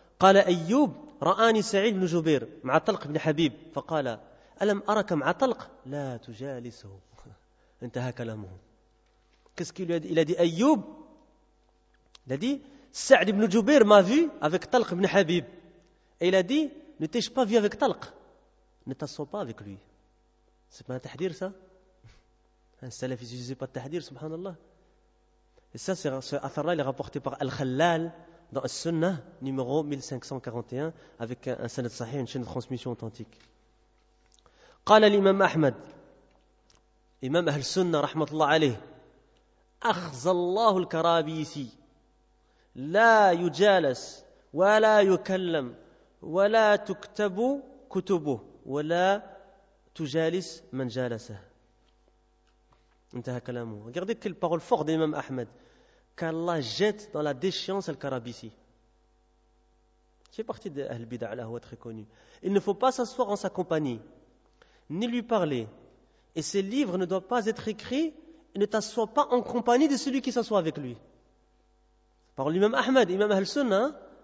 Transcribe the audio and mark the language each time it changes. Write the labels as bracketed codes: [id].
[ar] قال أيوب رآني سعيد بن جبير مع طلق بن حبيب فقال ألم أرك مع طلق لا تجالسه انتهى كلامه [fr] Qu'est-ce qu'il lui a dit? Il a dit Ayyub, il a dit Sa'd ibn Jubair m'a vu avec Talq ibn Habib. Et il a dit, ne t'ai-je pas vu avec Talq? Ne t'assois pas avec lui. C'est pas un tahdir ça? Un salaf, il n'utilisait pas de tahdir, subhanallah. Et ça, ce athar-là, il est rapporté par Al-Khalal dans le Sunnah numéro 1541 avec un sanad sahih, une chaîne de transmission authentique. [ar] Qala l'imam Ahmed, imam Ahl-Sunnah, rahmatullah alayh. أخذ الله الكرابيسي لا يجالس ولا يكلم ولا تكتب كتبه ولا تجالس من جالسه انتهى كلامه. [fr] Regardez quelle parole forte d'Imam Ahmed, qu'Allah jette dans la déchéance al-Karabisi, qui est partie de Ahl-Bida' al-Ahwa, très connu. Il ne faut pas s'asseoir en sa compagnie ni lui parler, et ses livres ne doivent pas être écrits. Ne t'assois pas en compagnie de celui qui s'assoit avec lui. Par l'imam Ahmed, imam Ahl-Sunnah.